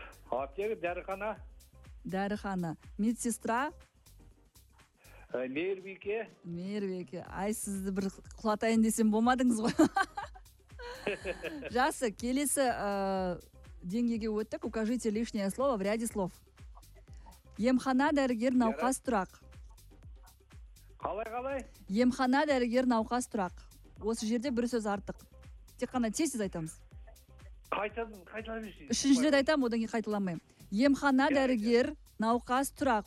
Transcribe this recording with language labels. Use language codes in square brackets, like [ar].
[kk] Аптека, дәріхана. Дәріхана. Медсестра? Мейірбике. Мейірбике. Ай, сізді бір құлатайын десем болмадыңыз ғой. Жақсы, келесі деңгейге өттік. [ru] Укажите лишнее слово в ряде слов. [kk] Емхана, дәрігер, науқас, тұрақ. Қалай-қалай? Емхана, дәрігер, науқас, тұрақ. Осы жерде бір сөз артық. Тек қана тез-тез айтамыз. Қайталамайсыз. Үшінші рет айтамын, одан кейін қайталамаймын. Емхана, дәрігер, науқас, тұрақ.